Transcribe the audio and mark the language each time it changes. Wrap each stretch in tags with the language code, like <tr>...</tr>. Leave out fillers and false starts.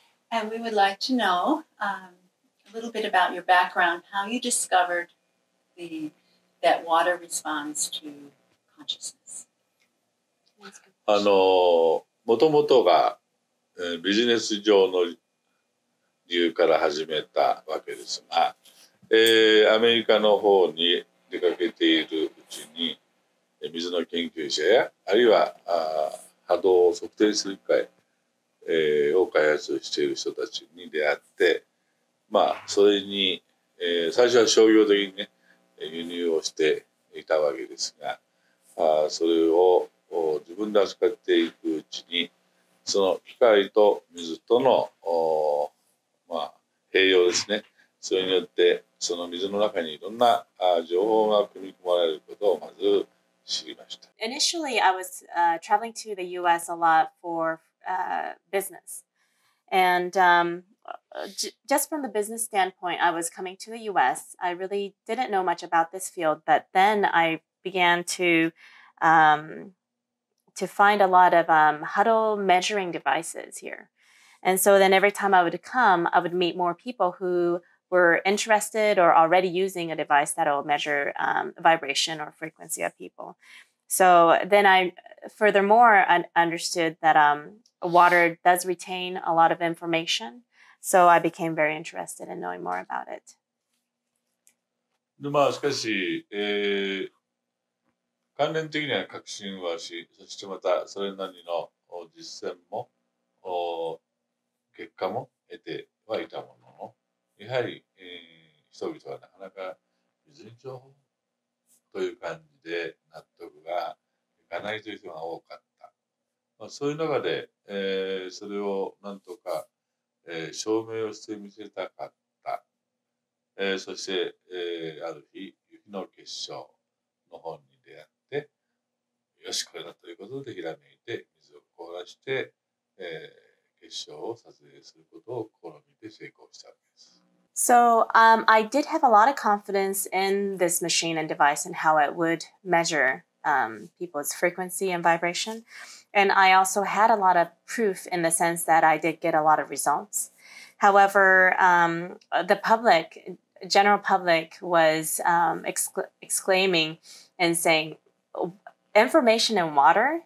<en>And we would like to know a little bit about your background, how you discovered that water responds to consciousness.</en> <ja>もともとが、ビジネス上の理由から始めたわけですが、アメリカの方に出かけているうちに水の研究者やあるいは波動を測定する機械、を開発している人たちに出会って、まあ、それに、最初は商業的にね輸入をしていたわけですが、それを自分で扱っていくうちにその機械と水との、まあ、併用ですね、それによってその水の中にいろんな情報が組み込まれることをまず知りました。</ja> <en>Initially, I was traveling to the U.S. a lot for business. And just from the business standpoint, I was coming to the U.S. I really didn't know much about this field, but then I began to find a lot of huddle measuring devices here. And so then every time I would come, I would meet more people whowere interested or already using a device that will measure vibration or frequency of people. So then I furthermore understood that water does retain a lot of information. So I became very interested in knowing more about it.</en> <ja>まあ、しかし、関連的には確信はし、そしてまたそれなりの実践も、結果も得てはいたもの。やはり、人々はなかなか水に情報という感じで納得がいかないという人が多かった。まあ、そういう中で、それをなんとか、証明をしてみせたかった。そして、ある日、雪の結晶の本に出会って、よし、これだということでひらめいて、水を凍らして、結晶を撮影することを試みて成功したわけです。</ja> <en>So I did have a lot of confidence in this machine and device and how it would measure people's frequency and vibration. And I also had a lot of proof in the sense that I did get a lot of results. However, the public, general public was exclaiming and saying information in water.</en>